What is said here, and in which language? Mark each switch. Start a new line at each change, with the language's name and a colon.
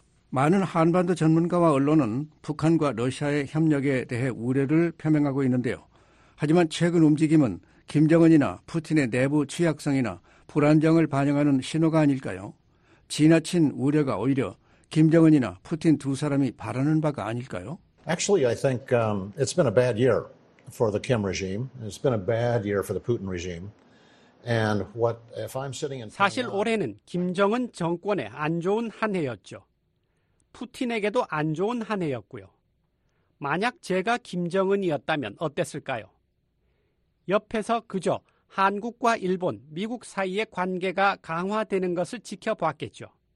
Korean: 많은 한반도 전문가와 언론은 북한과 러시아의 협력에 대해 우려를 표명하고 있는데요. 하지만 최근 움직임은 김정은이나 푸틴의 내부 취약성이나 불안정을 반영하는 신호가 아닐까요? 지나친 우려가 오히려 김정은이나 푸틴 두 사람이 바라는 바가 아닐까요?
English: Actually, I think it's been a bad year for the Kim regime. It's been a bad year for the Putin regime. And what if I'm sitting in
Korean: 사실 올해는 김정은 정권에 안 좋은 한 해였죠. 푸틴에게도 안 좋은 한 해였고요. 만약 제가 김정은이었다면 어땠을까요? 옆에서 그저 한국과 일본, 미국 사이의 관계가 강화되는 것을 지켜봤겠죠.